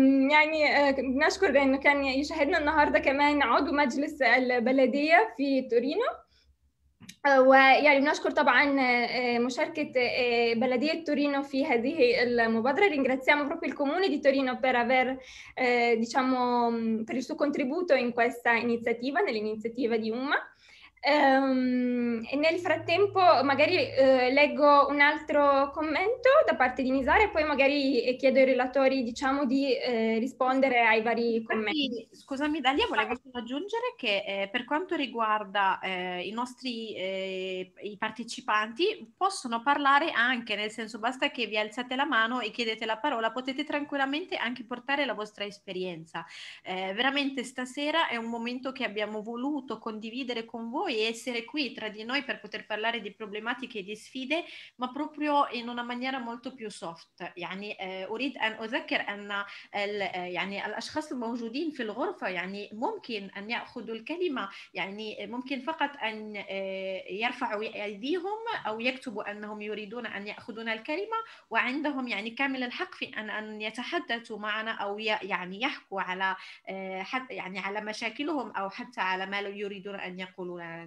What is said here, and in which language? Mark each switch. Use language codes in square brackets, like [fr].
[ar] يعني نشكر لأنه كان يشاهدنا النهاردة كمان عضو مجلس البلدية في تورينو. ويعني بنشكر طبعا مشاركة بلدية تورينو في هذه المبادرة. [it] ringraziamo proprio il comune di Torino per aver diciamo per il suo contributo in questa iniziativa, nell'iniziativa di UMA. E nel frattempo magari leggo un altro commento da parte di Nisara e poi magari chiedo ai relatori diciamo di rispondere ai vari commenti. Scusami Dalia, volevo solo aggiungere che per quanto riguarda i partecipanti possono parlare anche, nel senso basta che vi alzate la mano e chiedete la parola, potete tranquillamente anche portare la vostra esperienza. Veramente stasera è un momento che abbiamo voluto condividere con voi e essere qui tra di noi per poter parlare di problematiche e di sfide, ma proprio in una maniera molto più soft. [ar] يعني اريد ان اذكر ان يعني الاشخاص الموجودين في الغرفه يعني ممكن ان ياخذوا الكلمه, يعني ممكن فقط ان يرفعوا ايديهم او يكتبوا انهم يريدون ان ياخذون الكلمه, وعندهم يعني كامل الحق في ان يتحدثوا معنا او يعني يحكوا على يعني على مشاكلهم او حتى على ما يريدون ان يقولوا.